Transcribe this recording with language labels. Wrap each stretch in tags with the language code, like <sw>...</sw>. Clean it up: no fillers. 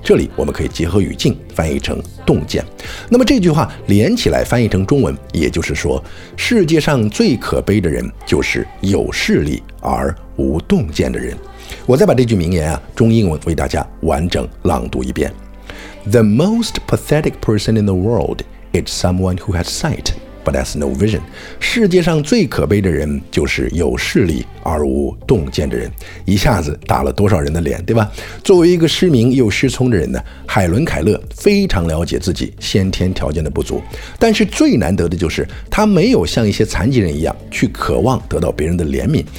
<zh>这里我们可以结合语境翻译成洞见。那么这句话连起来翻译成中文，也就是说，世界上最可悲的人就是有视力而无洞见的人。我再把这句名言啊，中英文为大家完整朗读一遍。</zh> <en>The most pathetic person in the world is someone who has sight but has no vision.</en> <zh>世界上最可悲的人就是有视力而无洞见的人。一下子打了多少人的脸，对吧？作为一个失明又失聪的人呢，海伦·凯勒非常了解自己先天条件的不足，但是最难得的就是他没有像一些残疾人一样去渴望得到别人的怜悯。</zh>